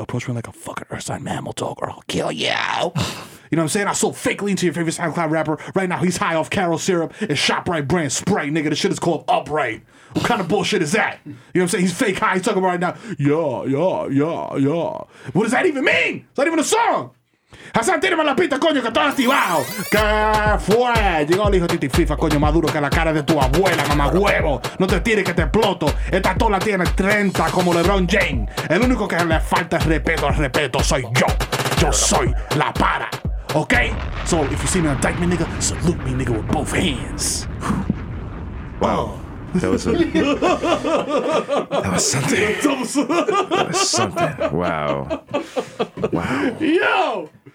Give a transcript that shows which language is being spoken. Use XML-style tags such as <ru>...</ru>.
<en>Approach me like a fucking Earth Sign mammal, dog, or I'll kill you. You know what I'm saying? I sold fake lean to your favorite SoundCloud rapper. Right now, he's high off Carol syrup and ShopRite brand Sprite, nigga. The shit is called Upright. What kind of bullshit is that? You know what I'm saying? He's fake high. He's talking about right now. Yeah. What does that even mean? It's not even a song.</en> <es>Has sentido la pita, coño, que estás activado. ¿Qué fue? Llegó el hijo de Titififa, coño, más duro que la cara de tu abuela, mamá huevo. No te tires que te exploto. Esta tola tiene 30 como LeBron James. El único que le falta es respeto al respeto. Soy yo. Yo soy la para. Okay?</es> <en>So if you see me on Dyke, me nigga, salute me nigga with both hands. Wow. That was something. That was something. Wow. Wow. Yo!</en>